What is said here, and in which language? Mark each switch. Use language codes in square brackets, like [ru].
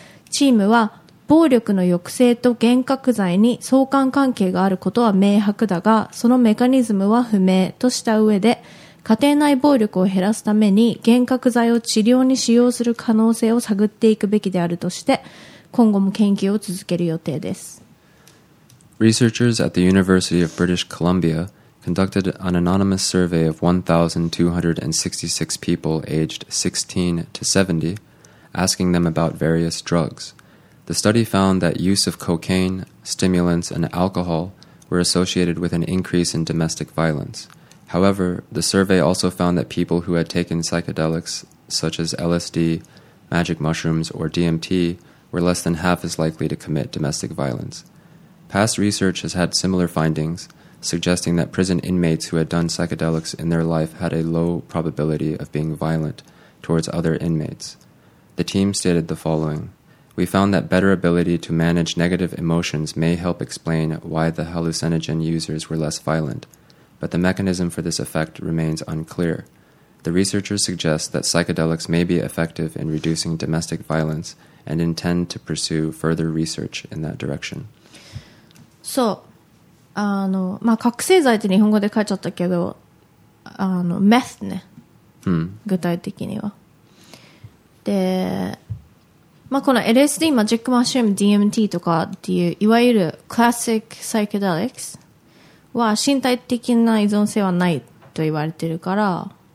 [ja] チームは暴力の抑制と幻覚剤に相関関係があることは明白だが、そのメカニズムは不明とした上で、家庭内暴力を減らすために幻覚剤を治療に使用する可能性を探っていくべきであるとして、今後も研究を続ける予定です。 [en] Researchers at the University of British ColumbiaConducted an anonymous survey of 1,266 people aged 16 to 70, asking them about various drugs. The study found that use of cocaine, stimulants, and alcohol were associated with an increase in domestic violence. However, the survey also found that people who had taken psychedelics such as LSD, magic mushrooms, or DMT were less than half as likely to commit domestic violence. Past research has had similar findings,suggesting that prison inmates who had done psychedelics in their life had a low probability of being violent towards other inmates. The team stated the following: We found that better ability to manage negative emotions may help explain why the hallucinogen users were less violent, but the mechanism for this effect remains unclear. The researchers suggest that psychedelics may be effective in reducing domestic violence and intend to pursue further research in that direction. [ja] So,覚醒剤って日本語で書いちゃったけど、メスね、具体的には。で、この LSD、マジックマッシューム、DMT とかっていういわゆるクラシックサイケデリックスは身体的な依存性はないと言われてるから。